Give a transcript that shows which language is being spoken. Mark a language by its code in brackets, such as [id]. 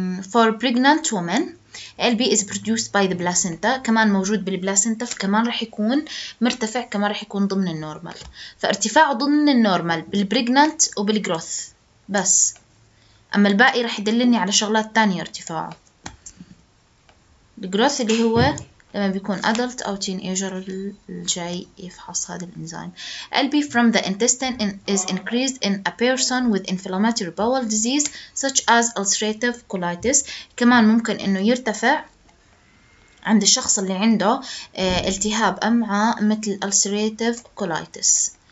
[en] For pregnant women ALP is produced by the placenta، [ar] كمان موجود بالبلاسنتا، فكمان رح يكون مرتفع، كمان رح يكون ضمن النورمال، فارتفاع ضمن النورمال بالبريجنانت وبالجروث بس، أما الباقي رح يدلني على شغلات تانية ارتفاعه. الجروث اللي هو لما بيكون adult أو teen ager الجاي يفحص هذا الإنزيم. [en] ALP from the intestine is increased in a person with inflammatory bowel disease such as ulcerative colitis. [ar] كمان ممكن إنه يرتفع عند الشخص اللي عنده التهاب أمعاء مثل ulcerative colitis.